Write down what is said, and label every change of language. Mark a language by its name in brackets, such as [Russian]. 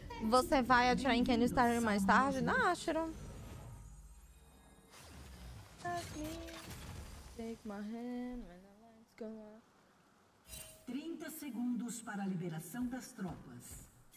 [Portuguese] Você vai atirar em Kenny Starr mais tarde? Na Asheron. [English] Take my hand when the lights go out. [Portuguese] 30 segundos para a liberação das tropas.